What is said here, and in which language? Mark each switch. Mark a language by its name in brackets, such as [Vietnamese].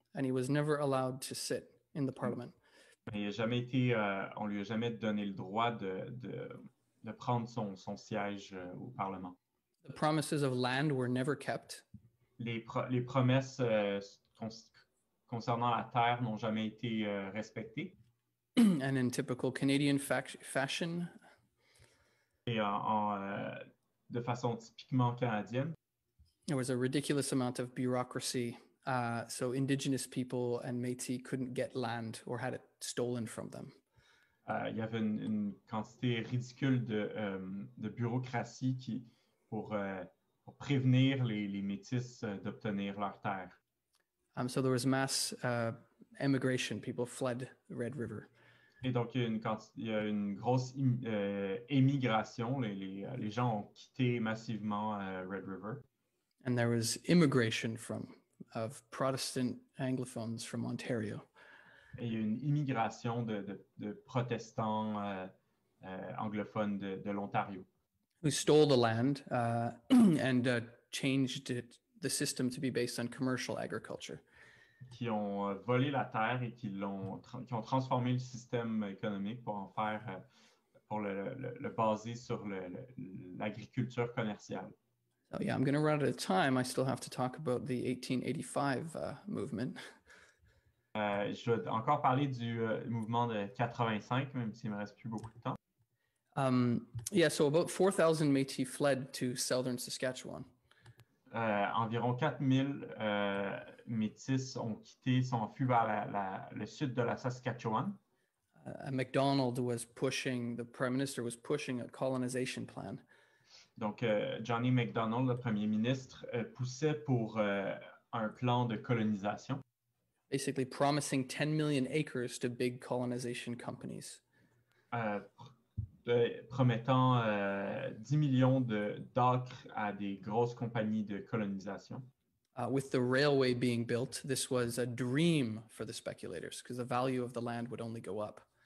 [English] And he was never allowed to sit in the parliament. [French] Mais il a jamais été, on lui a jamais donné le droit de prendre son siège au parlement. [English] The promises of land were never kept. [French] Les promesses concernant la terre n'ont jamais été respectées. [English] And in typical Canadian fashion. [French] Et de façon typiquement canadienne. [English] There was a ridiculous amount of bureaucracy, so Indigenous people and Métis couldn't get land or had it stolen from them. [French] Il y avait une quantité ridicule de bureaucratie qui pour prévenir les Métis d'obtenir leur terre. [English] So there was mass emigration. People fled the Red River. [French] Et donc, il y a une grosse émigration. Les gens ont quitté massivement Red River. [English] And there was immigration of Protestant Anglophones from Ontario. [French] Et il y a une immigration de protestants anglophones de l'Ontario. [English] Who stole the land and changed it, the system to be based on commercial agriculture. [French] Qui ont volé la terre et qui ont transformé le système économique pour en faire pour le baser sur l'agriculture commerciale. [English] So yeah, I'm going to run out of time. I still have to talk about the 1885 movement. [French] Je vais encore parler du mouvement de 85, même s'il me reste plus beaucoup de temps. [English] So about 4,000 Métis fled to southern Saskatchewan. [French] Environ 4,000 Métis ont quitté, sont fui vers le sud de la Saskatchewan. [English] Macdonald was pushing, the Prime Minister was pushing a colonization plan. [French] Donc, Johnny Macdonald, le Premier ministre, poussait pour un plan de colonisation. [English] Basically promising 10 million acres to big colonization companies. [French] Promettant 10 millions d'acres à des grosses compagnies de colonisation. [English] With the railway being built, this was a dream for the speculators because the value of the land would only go up.